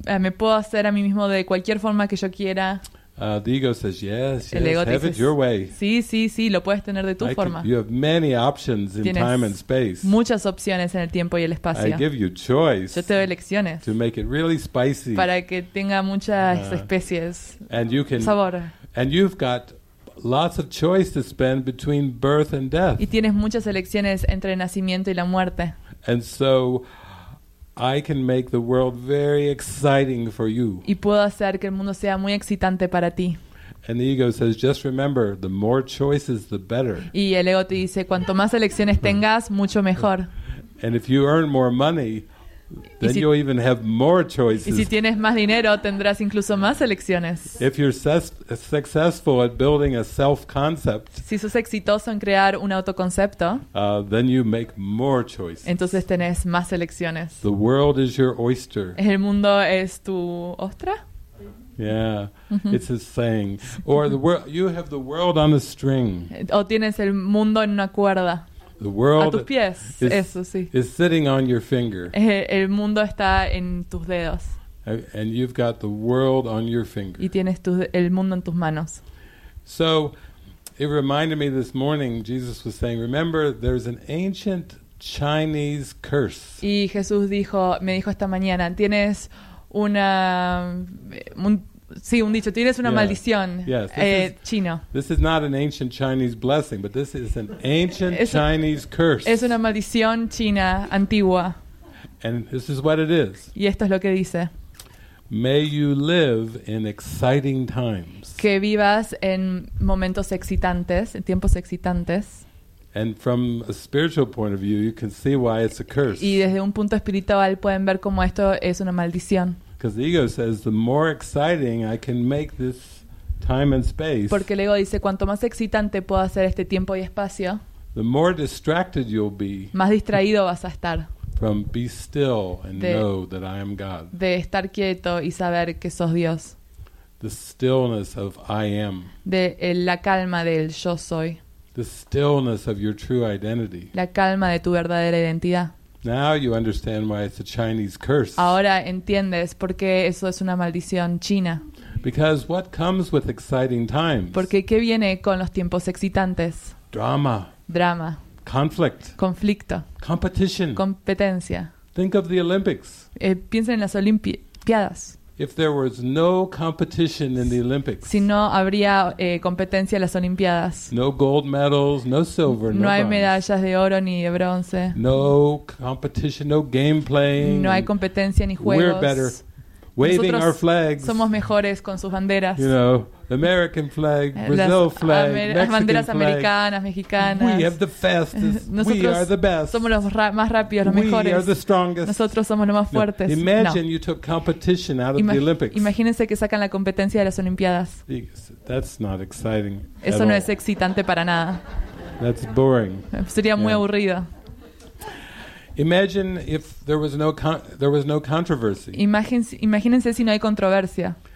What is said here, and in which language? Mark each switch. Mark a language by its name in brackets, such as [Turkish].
[Spanish] Me puedo hacer a mí mismo de cualquier forma que yo quiera. [English] The ego says, yes, [Spanish] el ego [English] yes, [Spanish] dice, [English] have it your way. [Spanish] Sí, lo puedes tener de tu forma. [English] You have many options in time and space. [Spanish] Muchas opciones en el tiempo y el espacio. [English] I give you choice. [Spanish] Yo te doy elecciones. [English] To make it really spicy. [Spanish] Para que tenga muchas especies. [English] And you can, [Spanish] sabor. [English] And you've got lots of choice to spend between birth and death. [Spanish] Y tienes muchas elecciones entre el nacimiento y la muerte. [English] And so I can make the world very exciting for you. [Spanish] Y puedo hacer que el mundo sea muy excitante para ti. [English] And the ego says, just remember, the more choices, the better. [Spanish] Y el ego te dice, cuanto más elecciones tengas, mucho mejor. [English] And if you earn more money, then you'll even have more choices. [Spanish] Y si tienes más dinero, tendrás incluso más elecciones. [English] If you're successful at building a self-concept, [Spanish] si sos exitoso en crear un autoconcepto, [English] then you make more choices. [Spanish] Entonces tenés más elecciones. [English] The world is your oyster. [Spanish] El mundo es tu ostra. [English] Yeah, it's a saying. Or the world, you have the world on a string. [Spanish] O tienes el mundo en una cuerda. [English] The world [Spanish] a tus pies, [English] is, [Spanish] eso sí. [English] Is sitting on your finger. [Spanish] El mundo está en tus dedos. [English] And you've got the world on your finger. [Spanish] Y tienes tu, el mundo en tus manos. [English] So, it reminded me this morning, Jesus was saying, remember, there's an ancient Chinese curse. [Spanish] Y Jesús dijo, me dijo esta mañana, tienes una... Sí, un dicho. Tienes una maldición chino. [English] This is not an ancient Chinese blessing, but this is an ancient Chinese curse. [Spanish] Es una maldición china antigua. [English] And this is what it is. [Spanish] Y esto es lo que dice. [English] May you live in exciting times. [Spanish] Que vivas en momentos excitantes, en tiempos excitantes. [English] And from a spiritual point of view, you can see why it's a curse. [Spanish] Y desde un punto espiritual pueden ver cómo esto es una maldición. [English] Because the ego says, the more exciting I can make this time and space. [Spanish] Porque el ego dice, cuanto más excitante puedo hacer este tiempo y espacio. [English] The more distracted you'll be. [Spanish] Más distraído vas a estar. [English] From be still and know that I am God. [Spanish] De estar quieto y saber que sos Dios. [English] The stillness of I am. [Spanish] De la calma del yo soy. [English] The stillness of your true identity. [Spanish] La calma de tu verdadera identidad. [English] Now you understand why it's a Chinese curse. [Spanish] Ahora entiendes por qué eso es una maldición china. [English] Because what comes with exciting times? [Spanish] Porque qué viene con los tiempos excitantes? [English] Drama. [Spanish] Drama. [English] Conflict. [Spanish] Conflicto. [English] Competition. [Spanish] Competencia. [English] Think of the Olympics. [Spanish] Piensen en las Olimpiadas. [English] If there was no competition in the Olympics. [Spanish] Si no habría competencia en las Olimpiadas. [English] No gold medals, no silver, no bronze. [Spanish] No hay medallas de oro ni de bronce. [English] No competition, no game playing. [Spanish] No hay competencia ni juegos. [English] We're better waving our flags. [Spanish] Somos mejores con sus banderas. [English] You know, American flag, Brazil flag, [Spanish] las banderas americanas, mexicanas. [English] We have the fastest. We are the best. [Spanish] Somos los más rápidos, los mejores. [English] We are the strongest. [Spanish] Nosotros somos los más fuertes. [English] Imagine you took competition out of the Olympics. [Spanish] Imagínense que sacan la competencia de las Olimpiadas. [English] That's not exciting. [Spanish] Eso no es excitante para nada. [English] That's boring. [Spanish] Sería muy aburrido. [English] Imagine if there was no controversy. [Spanish] Imagínense si no hay controversia.